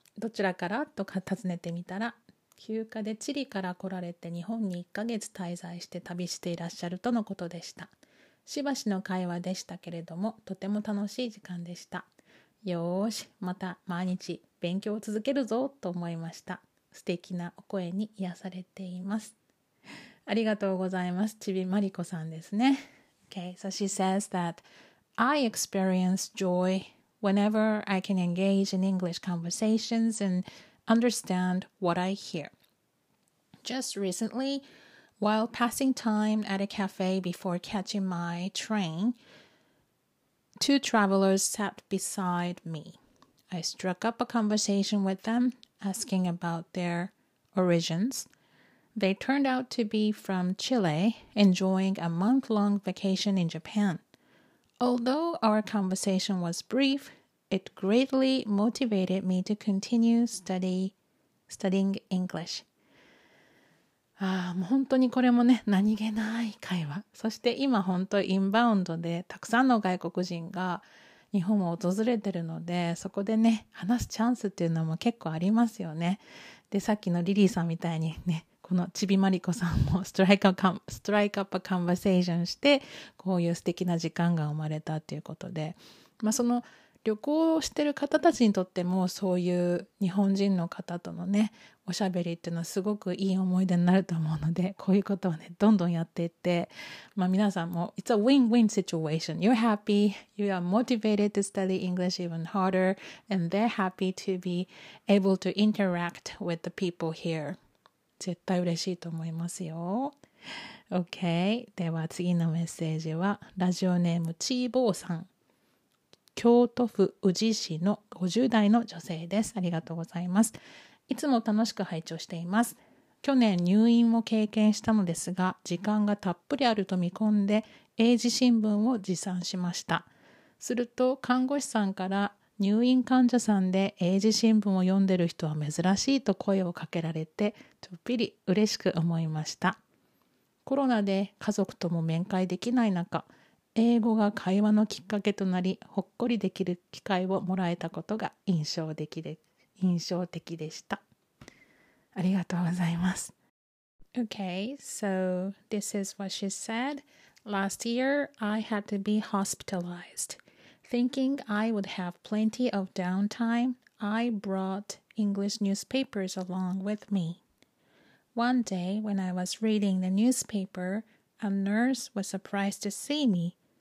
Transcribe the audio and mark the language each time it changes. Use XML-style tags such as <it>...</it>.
<ja>どちらからとか尋ねてみたら、休暇でチリから来られて日本に1ヶ月滞在して旅していらっしゃるとのことでした。しばしの会話でしたけれども、とても楽しい時間でした。よーし、また毎日勉強を続けるぞと思いました。素敵なお声に癒されています。ありがとうございます。ちびまりこさんですね。</ja> <en>Okay, so she says that I experience joy whenever I can engage in English conversations andunderstand what I hear. Just recently, while passing time at a cafe before catching my train, two travelers sat beside me. I struck up a conversation with them, asking about their origins. They turned out to be from Chile, enjoying a month-long vacation in Japan. Although our conversation was brief,It greatly motivated me to continue studying English.</en> <ja>ああ、もう本当にこれもね、何気ない会話。そして今本当インバウンドでたくさんの外国人が日本を訪れてるので、そこでね、話すチャンスっていうのも結構ありますよね。で、さっきのリリーさんみたいにね、このちびまりこさんもストライクアップコンバセーションしてこういう素敵な時間が生まれたということで、まあその旅行をしてる方たちにとってもそういう日本人の方とのねおしゃべりっていうのはすごくいい思い出になると思うので、こういうことをねどんどんやっていって、まあ皆さんも</ja> <en>It's a win-win situation. You're happy, you are motivated to study English even harder, and they're happy to be able to interact with the people here.</en> <ja>絶対嬉しいと思いますよ。OK, では次のメッセージはラジオネームチーボーさん、京都府宇治市の50代の女性です。ありがとうございます。いつも楽しく拝聴しています。去年入院を経験したのですが、時間がたっぷりあると見込んで英字新聞を持参しました。すると看護師さんから、入院患者さんで英字新聞を読んでる人は珍しいと声をかけられて、ちょっぴり嬉しく思いました。コロナで家族とも面会できない中、英語が会話のきっかけとなり、ほっこりできる機会をもらえたことが印象的でした。ありがとうございます。</ja> <en>Okay, so this is what she said. Last year, I had to be hospitalized. Thinking I would have plenty of downtime, I brought English newspapers along with me. One day, when I was reading the newspaper, a nurse was surprised to see me.</en>